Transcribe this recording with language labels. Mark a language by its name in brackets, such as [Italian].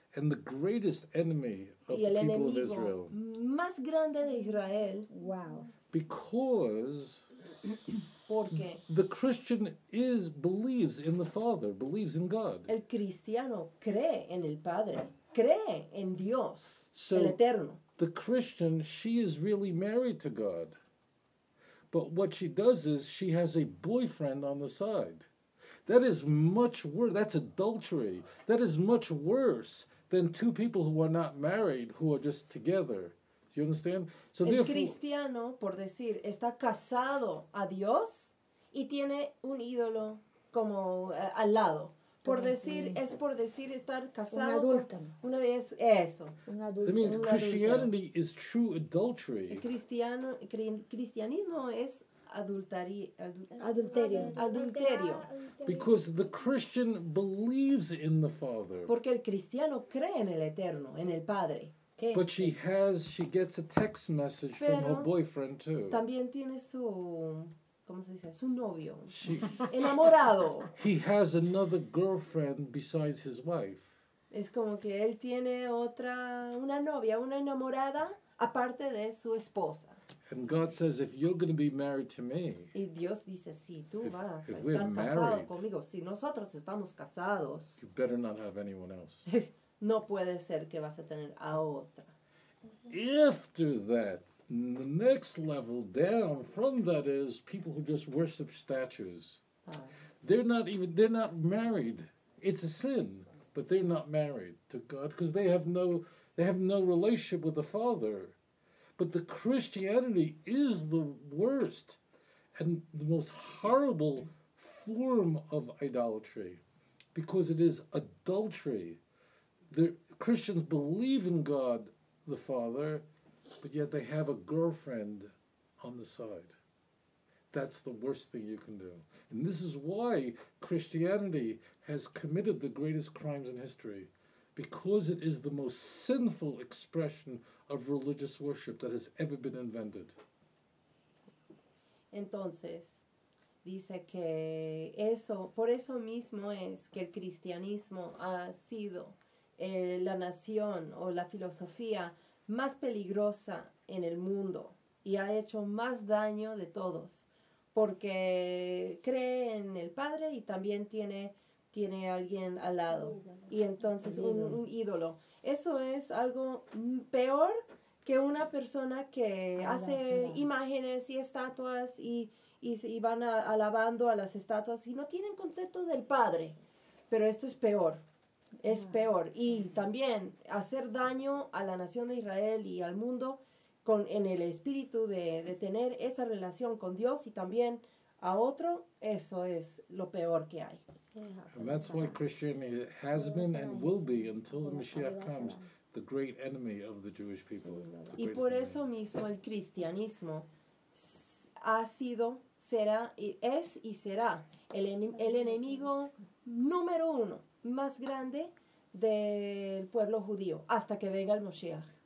[English] And the greatest enemy of the people of Israel. [Spanish] Y el enemigo más grande de Israel. [English] Wow. Because [Spanish] porque [English] the Christian believes in the Father, believes in God. [Spanish] El cristiano cree en el Padre, cree en Dios, so el Eterno. [English] The Christian, she is really married to God. But what she does is she has a boyfriend on the side. That is much worse. That's adultery. That is much worse than two people who are not married, who are just together. Do you understand? [Spanish] So el cristiano, por decir, está casado a Dios y tiene un ídolo como al lado. Por decir, es por decir estar casado. Un adulto. Una vez eso. Un adulto. [English] That means [Spanish] un [English] Christianity adulto. Is true adultery. [Spanish] El cristianismo es adulterio. [English] Because the Christian believes in the Father. [Spanish] Porque el cristiano cree en el Eterno, en el Padre. [English] But she gets a text message [Spanish] pero [English] from her boyfriend too. [Spanish] También tiene su, ¿cómo se dice? Su novio. Enamorado. [English] He has another girlfriend besides his wife. [Spanish] Es como que él tiene una novia, una enamorada, aparte de su esposa. [English] And God says, if you're going to be married to me, [Spanish] y Dios dice, si tú vas a estar casado conmigo, si nosotros estamos casados, [English] you better not have anyone else. [Spanish] No puede ser que vas a tener a otra. [English] After that, the next level down from that is people who just worship statues. They're not married. It's a sin, but they're not married to God because they have no relationship with the Father. But the Christianity is the worst and the most horrible form of idolatry because it is adultery. The Christians believe in God, the Father, but yet they have a girlfriend on the side. That's the worst thing you can do. And this is why Christianity has committed the greatest crimes in history, because it is the most sinful expression of religious worship that has ever been invented. [Spanish] Entonces, dice que eso, por eso mismo es que el cristianismo ha sido la nación o la filosofía más peligrosa en el mundo y ha hecho más daño de todos porque cree en el Padre y también tiene alguien al lado y entonces un ídolo. Eso es algo peor que una persona que hace imágenes y estatuas y van alabando a las estatuas y no tienen concepto del Padre, pero esto es peor. Es peor. Y también hacer daño a la nación de Israel y al mundo con, en el espíritu de tener esa relación con Dios y también a otro, eso es lo peor que hay. [English] And that's why Christianity has been and will be until the Mashiach comes, the great enemy of the Jewish people. [Spanish] Y por eso mismo el cristianismo ha sido, será, es y será el enemigo número uno, más grande del pueblo judío, hasta que venga el Moshiach.